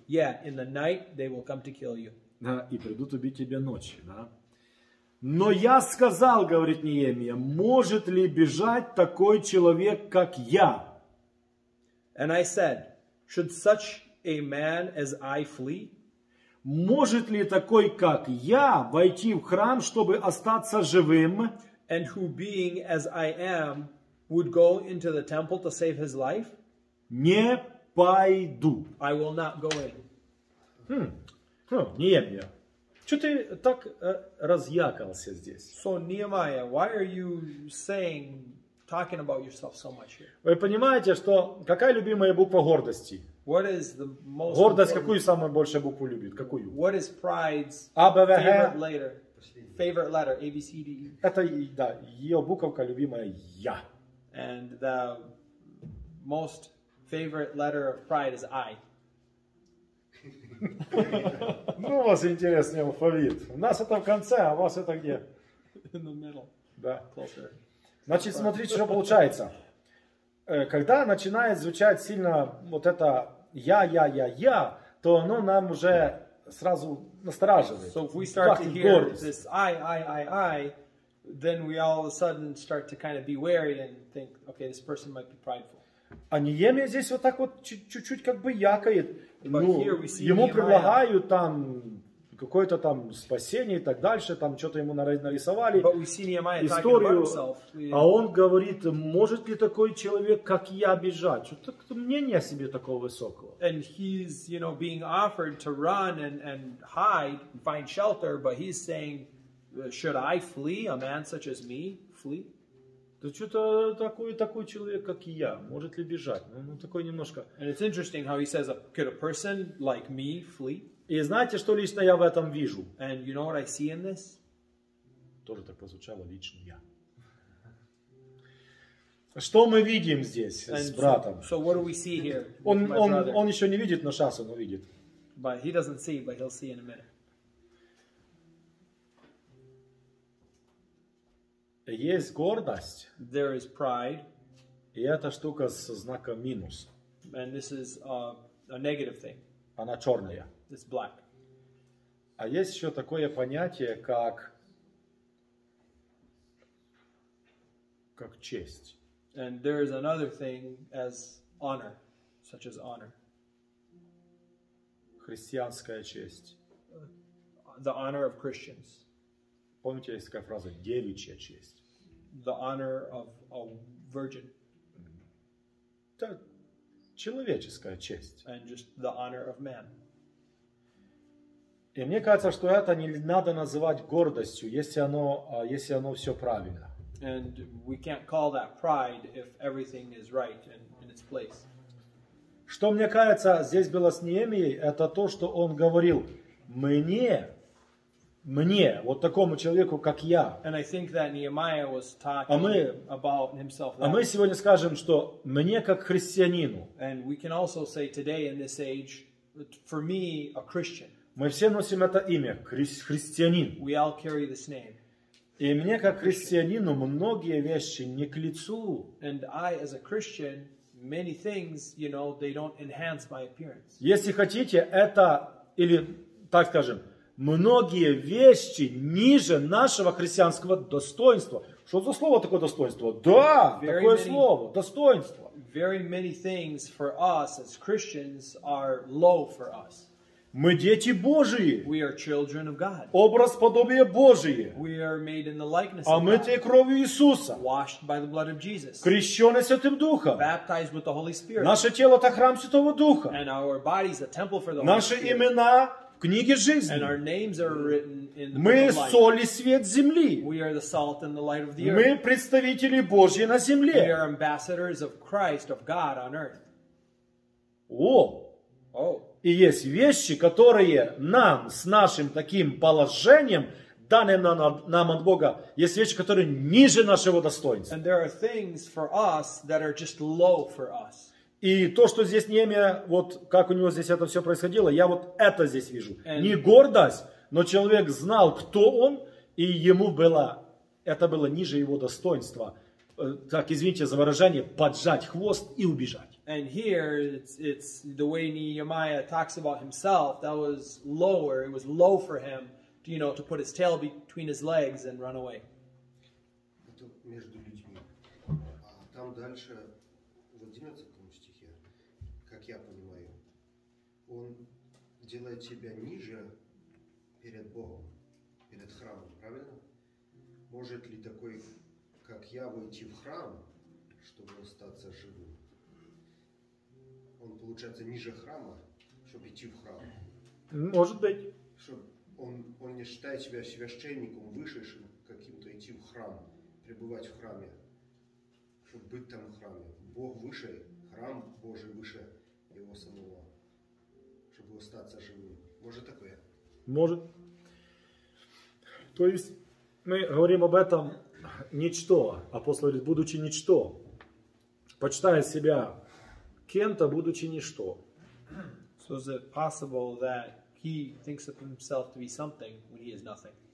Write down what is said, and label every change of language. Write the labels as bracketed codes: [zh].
[en] Yeah, in the night they will come to kill you. [ru] Да, и придут убить тебя ночью, да? Но я сказал, говорит Неемия, может ли бежать такой человек, как я? [en] And I said, should such a man as I flee? [ru] Может ли такой, как я, войти в храм, чтобы остаться живым? [en] And who being as I am, would go into the temple to save his life? [ru] Не пойду. [en] I will not go in. [ru] Неемия. Чего ты так разъякался здесь? [en] So, Nehemiah, why are you saying, talking about yourself so much here? [ru] Вы понимаете, что какая любимая буква гордости? [en] What is the most [ru] гордость, какую самую большую букву любит? Какую? [en] What is pride's favorite letter? Favorite letter, A, B, C, D, E. [ru] Это, да, ее буковка любимая Я. [en] And the most favorite letter of pride is I. [ru] Ну, у вас интересный алфавит. У нас это в конце, а у вас это где? [en] In the middle. [ru] Да. [en] Closer. [ru] Значит, смотрите, что получается. Когда начинает звучать сильно вот это я, то оно нам уже сразу настораживает. [en] So if we start to hear this I, then we all of a sudden start to kind of be wary and think, okay, this person might be prideful. [ru] А Неемия здесь вот так вот чуть-чуть как бы якает. Ну, ему предлагают там какое-то там спасение и так дальше, там что-то ему нарисовали историю, а он говорит, может ли такой человек, как я, бежать? Что-то мнение о себе такого высокого. [en] And he's, you know, being offered to run and hide, find shelter, but he's saying, should I flee, a man such as me, flee? [ru] Да что-то такой человек, как я, может ли бежать? Ну, такой немножко. [en] And it's interesting how he says, could a person like me flee? [ru] И знаете, что лично я в этом вижу? [en] And you know what I see in this? [ru] Тоже так прозвучало лично я. Что мы видим здесь с братом? [en] So what do we see here? [ru] Он еще не видит, но сейчас он увидит. [en] But he doesn't see, but he'll see in a minute. [ru] Есть гордость. [en] There is pride. [ru] И эта штука со знаком минус. [en] And this is a negative thing. [ru] Она черная. [en] It's black. [ru] А есть еще такое понятие, как честь. [en] And there is another thing as honor, such as honor. [ru] Христианская честь. [en] The honor of Christians. [ru] Помните, есть такая фраза «девичья честь». [en] The honor of a virgin. [ru] Это человеческая честь. [en] And just the honor of man. [ru] И мне кажется, что это не надо называть гордостью, если оно все правильно. [en] And we can't call that pride if everything is right and in its place. [ru] Что мне кажется, здесь было с Неемией, это то, что он говорил мне, вот такому человеку, как я. [en] And I think that Nehemiah was talking about himself. [ru] А мы сегодня скажем, что мне как христианину. [en] And we can also say today in this age, for me, a Christian. [ru] Мы все носим это имя, христианин. [en] We all carry this name. [ru] И мне как христианину многие вещи не к лицу. [en] And I, as a Christian, many things, you know, they don't enhance my appearance. [ru] Если хотите, это или так скажем. Многие вещи ниже нашего христианского достоинства. Что за слово такое достоинство? Да, такое слово, достоинство. [en] Very many things for us as Christians are low for us. [ru] Мы дети Божии. [en] We are children of God. [ru] Образ подобие Божие. [en] We are made in the likeness of God. [ru] Омытые кровью Иисуса. [en] Washed by the blood of Jesus. [ru] Крещённые Святым Духом. [en] Baptized with the Holy Spirit. [ru] Наше тело это храм Святого Духа. [en] And our bodies a temple for the Holy Spirit. [ru] Наши имена в книге жизни. [en] And our names are written in the [ru] мы соль и свет земли. [en] We are the salt and the light of the earth. [ru] Мы представители Божьи на земле. [en] We are ambassadors of Christ, of God on earth. О! [ru] И есть вещи, которые нам с нашим таким положением, данным нам от Бога, есть вещи, которые ниже нашего достоинства. [en] And there are things for us that are just low for us. [ru] И то, что здесь Неемия, вот как у него здесь это все происходило, я вот это здесь вижу. And не гордость, но человек знал, кто он, и ему было, это было ниже его достоинства. Так, извините за выражение, поджать хвост и убежать. [en] And here, it's the way Nehemiah talks about himself, that was lower, it was low for him, to, you know, to put his tail between his legs and run away. [ru] Это между людьми. А там дальше, в 11 стихе, как я понимаю, он делает себя ниже перед Богом, перед храмом, правильно? Может ли такой, как я, войти в храм, чтобы остаться живым? Он получается ниже храма, чтобы идти в храм. Может быть. Он не считает себя священником, вышедшим каким-то идти в храм, пребывать в храме, чтобы быть там в храме. Бог выше, храм Божий выше его самого, чтобы остаться живым. Может такое? Может. То есть мы говорим об этом ничто. Апостол говорит, будучи ничто, почитая себя кем-то, будучи ничто. [en] So is it possible that he thinks of himself to be something when he is nothing?